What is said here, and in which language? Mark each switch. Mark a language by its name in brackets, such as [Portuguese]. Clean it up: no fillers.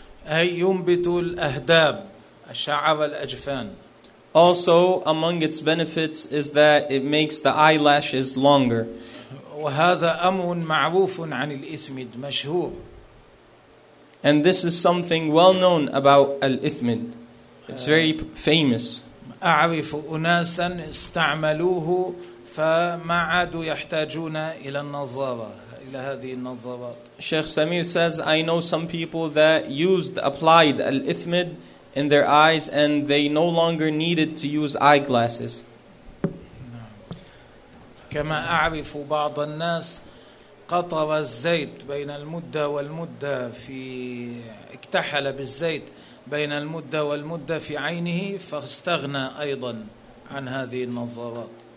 [Arabic] أي ينبت الأهداب، الشعر الأجفان. [English] Also, among its benefits is that it makes the eyelashes longer. [Arabic] وهذا أمر معروف عن الإثمد، مشهور. [English] And this is something well known about al-ithmid. It's very famous. [Arabic] أعرف أناسا استعملوه فما عادوا يحتاجون إلى النظارة، إلى هذه النظارات. [English] Sheikh Samir says, I know some people that applied al-ithmid in their eyes and they no longer needed to use eyeglasses. [Arabic] كما أعرف بعض الناس قطر الزيت بين المدة والمدة في اكتحل بالزيت بين المدة والمدة في عينه فاستغنى أيضا عن هذه النظارات.